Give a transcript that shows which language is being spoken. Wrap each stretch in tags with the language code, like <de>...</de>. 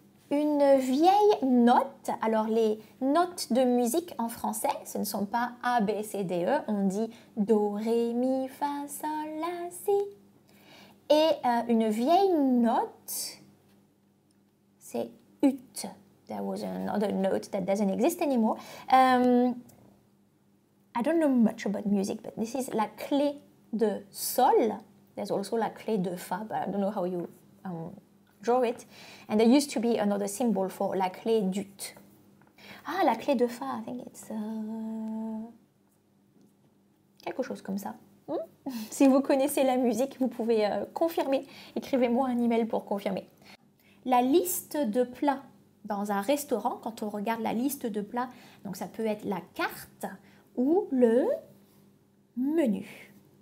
<fr>Une vieille note. Alors, les notes de musique en français, ce ne sont pas A, B, C, D, E. On dit Do, Ré, Mi, Fa, Sol, La, Si. Et une vieille note, c'est ut.</fr> <en>There was another note that doesn't exist anymore. I don't know much about music, but this is la clé de sol. There's also la clé de fa, but I don't know how you draw it. And there used to be another symbol for la clé d'ut. Ah, la clé de fa, I think it's...</en> <fr>quelque chose comme ça. Si vous connaissez la musique, vous pouvez confirmer. Écrivez-moi un email pour confirmer. La liste de plats dans un restaurant, quand on regarde la liste de plats, donc ça peut être la carte ou le menu.</fr>